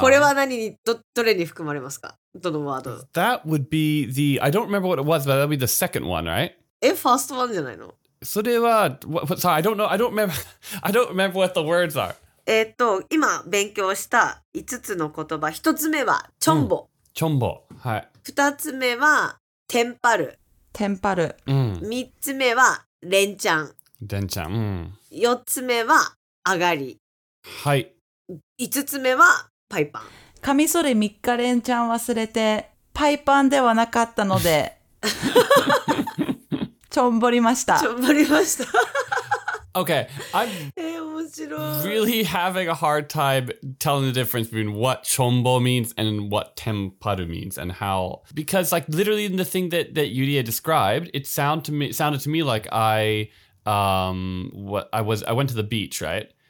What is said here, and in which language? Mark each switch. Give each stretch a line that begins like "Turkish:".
Japanese: これは何に、どれに含まれますか？どのワード？
English: That would be the, I don't remember what it was, but that would be the second one, right?
Japanese: え、ファーストワンじゃないの？それは、
English: sorry, I don't know, I don't remember what the words are.
Japanese: 今勉強した5つの言葉、1つ目は、チョンボ。うん、チョンボ。はい。 2つ目は、テンパル。テンパル。うん。 3つ目は、レンちゃん。レンちゃん。うん。4つ目は、アガリ。はい。 5つ目は、パイパン。カミソリ3日レンちゃん忘れて、パイパンではなかったので。ちょんぼりました。ちょんぼりました。
English: Okay, I'm really having a hard time telling the difference between what chombo means and what temparu means and how. Because like literally in the thing that Yurie described, it sounded to me like I went to the beach, right?